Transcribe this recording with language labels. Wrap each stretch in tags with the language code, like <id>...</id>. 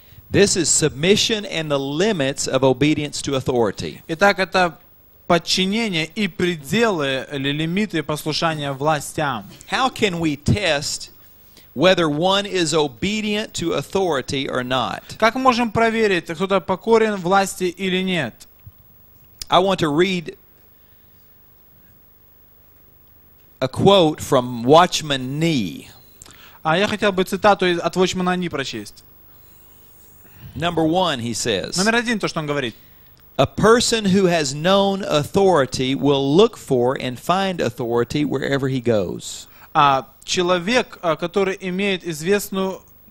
<en>This is submission and the limits of obedience to authority.</en> <ru>Итак, это подчинение и пределы или лимиты послушания властям.</ru> <en>How can we test whether one is obedient to authority or not?</en> <ru>Как мы можем проверить, кто-то покорен власти или нет?</ru> <en>I want to read a quote from Watchman Nee.</en> <ru>А я хотел бы цитату от Watchman Nee прочесть.</ru> <en>Number one, he says.</en> <ru>Номер один, то, что он говорит.</ru> <en>A person who has known authority will look for and find authority wherever he goes.</en> <ru>А человек, который имеет известную,</ru>